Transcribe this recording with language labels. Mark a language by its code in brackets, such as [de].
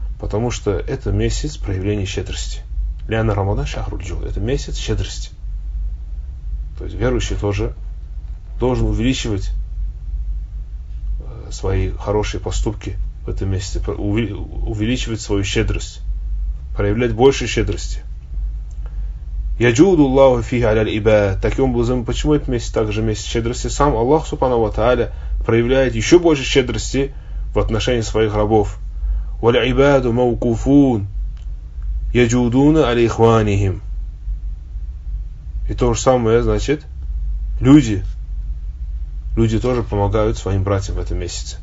[ru] Потому что это месяц проявления щедрости. Ляна Рамадан Шахруджу. Это месяц щедрости. То есть верующий тоже должен увеличивать свои хорошие поступки в этом месяце, увеличивать свою щедрость, проявлять больше щедрости. [ar] يجود الله فيه على العباد. [ru] Таким образом, почему этот месяц также месяц щедрости? Сам Аллах Субхана ва Тааля проявляет еще больше щедрости в отношении своих рабов. [ar] والعباد موقوفون يجودون على إخوانهم. [ru] И то же самое, значит, люди тоже помогают своим братьям в этом месяце.